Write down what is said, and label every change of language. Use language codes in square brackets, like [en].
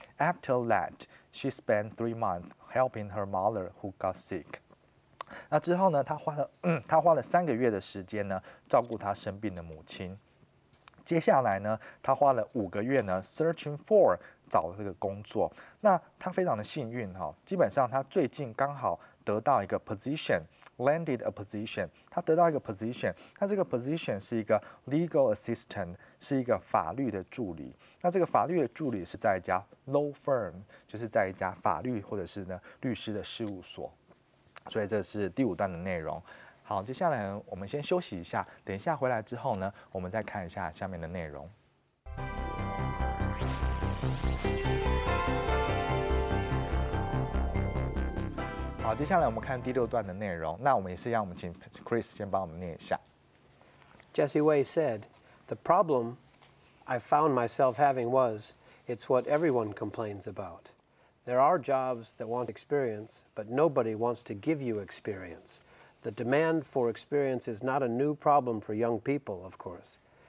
[en] After that, she spent 3 months helping her mother who got sick。 [zh] 那之后呢，他花了3个月的时间呢照顾他生病的母亲。接下来呢，他花了5个月呢 [en] searching for。 [zh] 找这个工作，那他非常的幸运哈、哦，基本上他最近刚好得到一个 position， [en] landed a position， [zh] 他得到一个 position， 那这个 position 是一个 legal assistant， 是一个法律的助理，那这个法律的助理是在一家 law firm， 就是在一家法律或者是呢律师的事务所，所以这是第五段的内容。好，接下来我们先休息一下，等一下回来之后呢，我们再看一下下面的内容。好，接下来我们看第六段的内容。那我们也是让我们请 Chris 先帮我们念一下。 [en] Jessie Wei said, "The problem I found myself having was it's what everyone complains about. There are jobs that want experience, but nobody wants to give you experience. The demand for experience is not a new problem for young people, of course.